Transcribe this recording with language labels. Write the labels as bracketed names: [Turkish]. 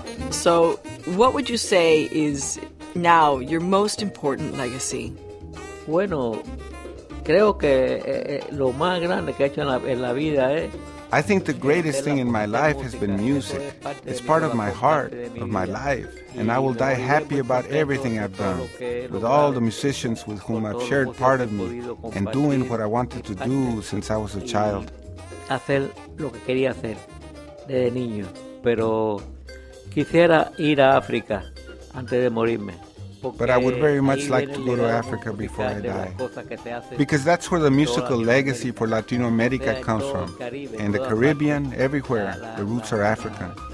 [English] So, what would you say is now your most important legacy? [Spanish] Bueno, creo que lo más grande que he hecho en la vida es... [English] I think the greatest thing in my life has been music. It's part of my heart, of my life, and I will die happy about everything I've done, with all the musicians with whom I've shared part of me, and doing what I wanted to do since I was a child. [Spanish] Hacer lo que quería hacer desde niño, pero quisiera ir a África antes de morirme. [English] But I would very much like to go to Africa before I die. Because that's where the musical legacy for Latino America comes from. In the Caribbean, everywhere, the roots are African.